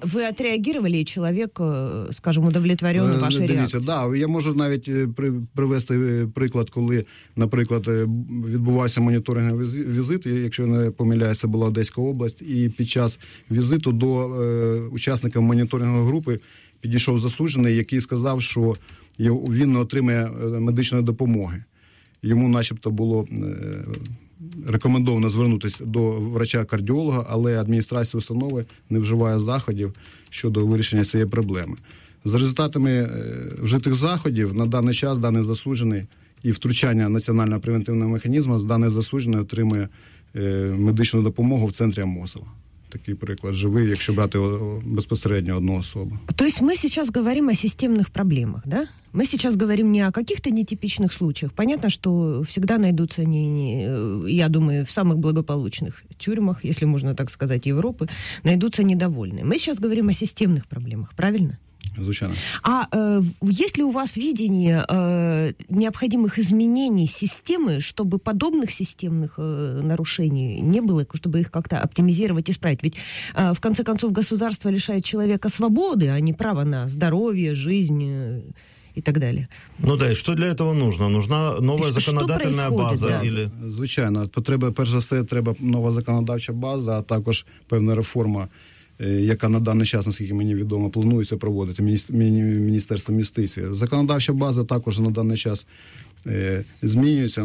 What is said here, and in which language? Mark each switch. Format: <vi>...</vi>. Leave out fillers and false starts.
<ru>вы отреагировали, и человек, скажем, удовлетворен вашей реакцией?</ru> <uk>Да, я могу навіть привести приклад, коли, наприклад, відбувався моніторинговий візит, якщо не помиляюся, була Одеська область, і під час візиту до учасників моніторингової групи підійшов засуджений, який сказав, що він не отримує медичної допомоги. Йому начебто було рекомендовано звернутися до врача-кардіолога, але адміністрація установи не вживає заходів щодо вирішення цієї проблеми. За результатами вжитих заходів, на даний час даний засуджений і втручання національного превентивного механізму, даний засуджений отримує медичну допомогу в центрі МОЗу. Такий приклад, живий, якщо брати безпосередньо одну особу. Тобто ми зараз говоримо о системних проблемах, так? Да?</uk> <ru>Мы сейчас говорим не о каких-то нетипичных случаях. Понятно, что всегда найдутся они, я думаю, в самых благополучных тюрьмах, если можно так сказать, Европы, найдутся недовольные. Мы сейчас говорим о системных проблемах, правильно?</ru> <uk>Звучайно.</uk> <ru>А есть ли у вас видение необходимых изменений системы, чтобы подобных системных нарушений не было, чтобы их как-то оптимизировать, исправить? Ведь в конце концов государство лишает человека свободы, а не права на здоровье, жизнь... и так далее. Ну да, и что для этого нужно? Нужна новая законодательная база? Да. Или...</ru> <uk>Звичайно, перш за все, треба нова законодавча база, а також певна реформа, яка на даний час, наскільки мені відомо, планується проводити Міністерством юстиції. Законодавча база також на даний час змінюється.</uk>